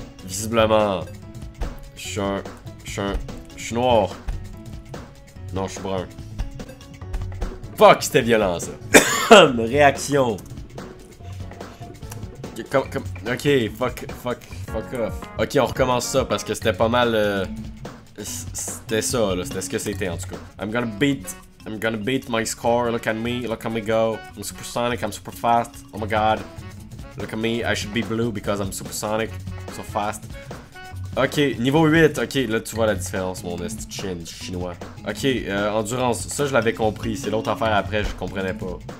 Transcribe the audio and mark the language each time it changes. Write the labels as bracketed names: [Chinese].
[French] Visiblement. Je suis noir. Non, je suis brun. Fuck, c'était violent ça. Réaction. [English] Ok, fuck off. [French] Ok, on recommence ça parce que c'était pas mal. C'était ça là, c'était ce que c'était en tout cas. [English] I'm gonna beat my score. Look at me go. I'm supersonic, I'm super fast. Oh my god. Look at me, I should be blue because I'm supersonic. So fast. [French] Ok, niveau 8, ok, là tu vois la différence, mon esti chien chinois. Ok, endurance, ça je l'avais compris, c'est l'autre affaire après, je comprenais pas.